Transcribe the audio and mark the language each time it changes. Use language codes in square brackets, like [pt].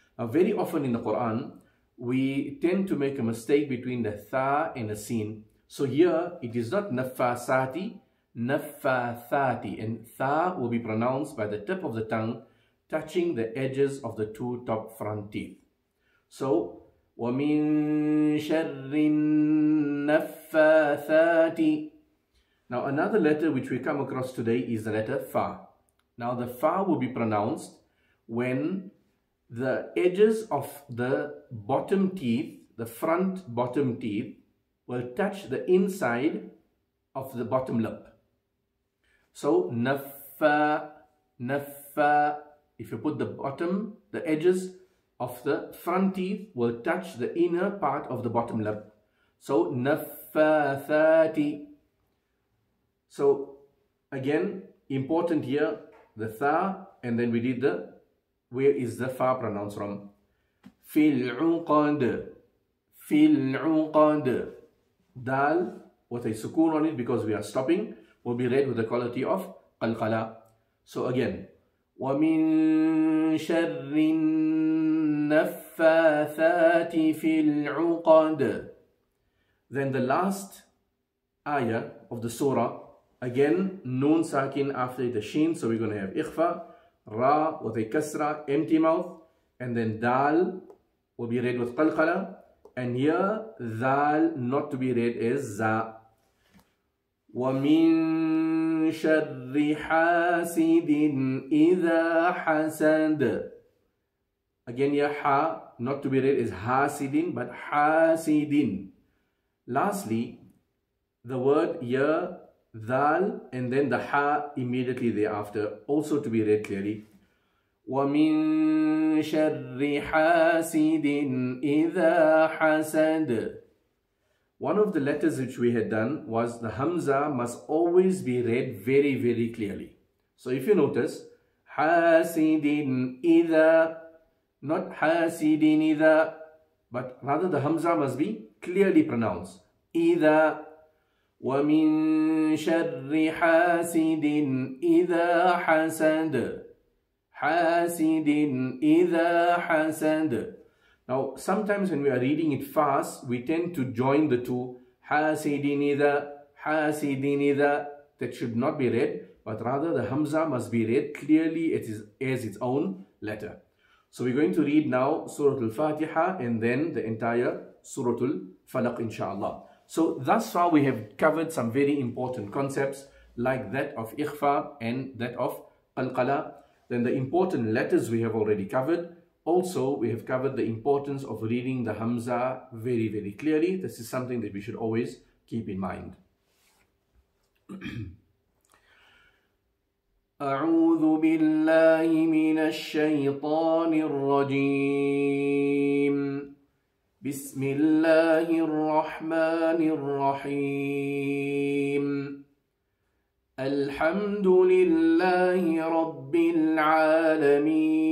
[en] Now very often in the Quran, we tend to make a mistake between the tha and a sin. So here, it is not [ar] نَفَّاثَاتِ, نَفَّاثَاتِ, [en] and tha will be pronounced by the tip of the tongue touching the edges of the two top front teeth. [ar] So, وَمِن شَرِّ النَّفَّاثَاتِ. [en] Now another letter which we come across today is the letter fa. Now the fa will be pronounced when the edges of the bottom teeth, the front bottom teeth, will touch the inside of the bottom lip. So, [ar] نَفَّا, نَفَّا, [en] if you put the bottom, the edges of the front teeth will touch the inner part of the bottom lip. [ar] So, نَفَّاثَاتِ. [en] So, again, important here, the tha, and then we did the, where is the fa pronounced from? [ar] فِي الْعُقَدِ, فِي الْعُقَدِ. [en] Dal, with a sukoon on it because we are stopping, will be read with the quality of qalqala. So again, [ar] وَمِن شَرِّ النَّفَّاثَاتِ فِي الْعُقَدِ. [en] Then the last ayah of the surah, again, noon sakin after the sheen, so we're going to have ikhfa, ra with a kasra, empty mouth, and then dal will be read with qalqala, and here, dal not to be read as za. [ar] وَمِن شَرِّ حَاسِدٍ إِذَا حَسَدَ. [en] Again, ya ha, not to be read as hasidin, but hasidin. Lastly, the word ya, dal, and then the ha immediately thereafter, also to be read clearly. [ar] وَمِن شَرِّ حَاسِدٍ إِذَا حَسَدَ. [en] One of the letters which we had done was the hamza must always be read very, very clearly. So if you notice, [ar] حَاسِدٍ إِذَا, [en] not [ar] حَاسِدٍ إِذَا, [en] But rather the Hamza must be clearly pronounced. [ar] إِذَا وَمِن شَرِّ حَاسِدٍ إِذَا حَسَدٍ حَاسِدٍ إِذَا حَسَدٍ. [en] Now, sometimes when we are reading it fast, we tend to join the two. [ar] حَاسِدٍ إِذَا حَاسِدٍ إِذَا. [en] That should not be read, but rather the Hamza must be read clearly as its own letter. So we're going to read now Surah Al-Fatiha and then the entire Surah Al-Falaq, inshallah. So thus far we have covered some very important concepts like that of ikhfa and that of qalqala. Then the important letters we have already covered. Also, we have covered the importance of reading the Hamza very, very clearly. This is something that we should always keep in mind. [ar] أعوذ بالله من الشيطان الرجيم بسم الله الرحمن الرحيم الحمد لله رب العالمين